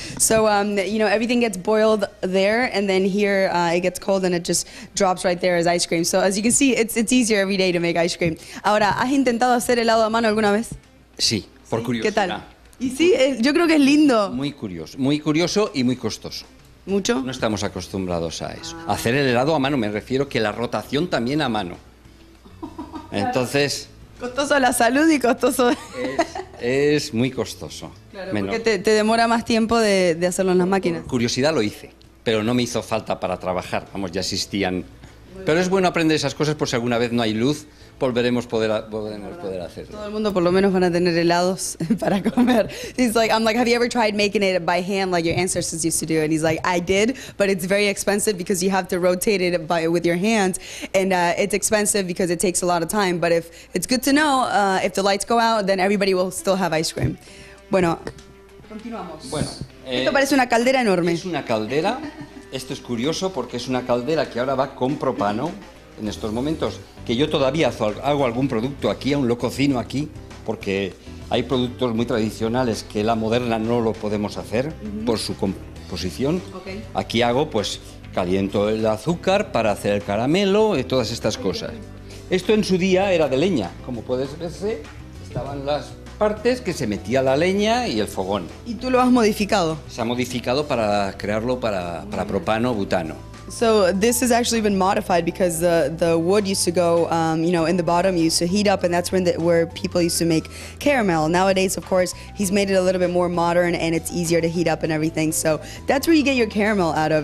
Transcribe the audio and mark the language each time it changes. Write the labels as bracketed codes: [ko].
[en] So, you know, everything gets boiled there, and then here it gets cold and it just drops right there as ice cream. So, as you can see, it's easier every day to make ice cream. [es] Ahora, ¿has intentado hacer helado a mano alguna vez? Sí, por curiosidad. ¿Qué tal? Y sí, yo creo que es lindo. Muy curioso y muy costoso. ¿Mucho? No estamos acostumbrados a eso. Ah. Hacer el helado a mano, me refiero que la rotación también a mano. Entonces... Costoso la salud y costoso... Es muy costoso. Claro, menos. Porque te demora más tiempo de hacerlo en las máquinas. Curiosidad lo hice, pero no me hizo falta para trabajar. Vamos, ya existían. Pero es bueno aprender esas cosas, por si alguna vez no hay luz, volveremos poder hacerlo. Todo el mundo por lo menos van a tener helados para comer. [en] He's like, I'm like, have you ever tried making it by hand like your ancestors used to do? And he's like, I did, but it's very expensive because you have to rotate it with your hands. And it's expensive because it takes a lot of time. But if it's good to know, if the lights go out, then everybody will still have ice cream. [es] Bueno, continuamos. Bueno, esto parece una caldera enorme. Es una caldera. Esto es curioso porque es una caldera que ahora va con propano. En estos momentos que yo todavía hago algún producto aquí, aún lo cocino aquí, porque hay productos muy tradicionales que la moderna no lo podemos hacer por su composición. [en] Okay. [es] Aquí hago, pues caliento el azúcar para hacer el caramelo y todas estas cosas. Esto en su día era de leña, como puedes verse, estaban las partes que se metía la leña y el fogón. ¿Y tú lo has modificado? Se ha modificado para crearlo para propano, butano. [en] So this has actually been modified because the wood used to go, you know, in the bottom, used to heat up, and that's where people used to make caramel. Nowadays, of course, he's made it a little bit more modern and it's easier to heat up and everything. So that's where you get your caramel out of.